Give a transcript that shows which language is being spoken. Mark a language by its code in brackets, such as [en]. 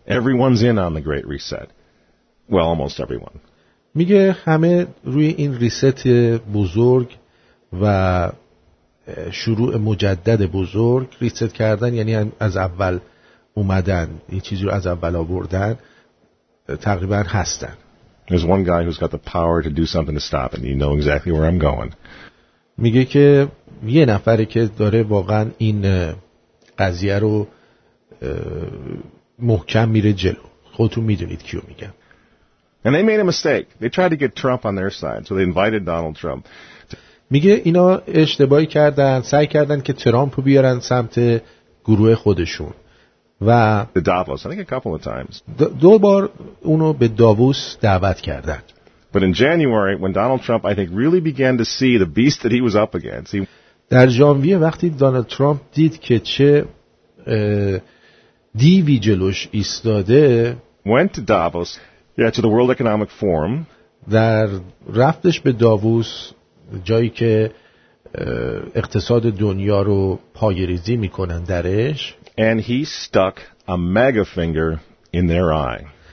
[en] Everyone's in on the great reset. Well, almost everyone. [fa] میگه همه روی این ریست بزرگ و شروع مجدد بزرگ، ریست کردن یعنی از اول اومدن یه چیزی رو از اول آوردن، تقریبا هستن. [en] There's one guy who's got the power to do something to stop it. You know exactly where I'm going. [fa] میگه که یه نفری که داره واقعا این قضیه رو محکم میره جلو. خودتون میدونید کیو میگم. [en] And they made a mistake. They tried to get Trump on their side, so they invited Donald Trump. [fa] میگه اینا اشتباهی کردن، سعی کردن که ترامپ رو بیارن سمت گروه خودشون. و [en] Davos, I think a couple of times. [fa] دو بار اونو به داووس دعوت کردند. [en] But in January when Donald Trump I think really began to see the beast that he was up against. [fa] در ژانویه وقتی دونالد ترامپ دید که چه دیوی جلوش ایستاده، [en] went to Davos, yeah, to the World Economic Forum. [fa] در رفتش به داووس، جایی که اقتصاد دنیا رو پایه‌ریزی می‌کنن درش، [en] and he stuck a mega finger in their eye.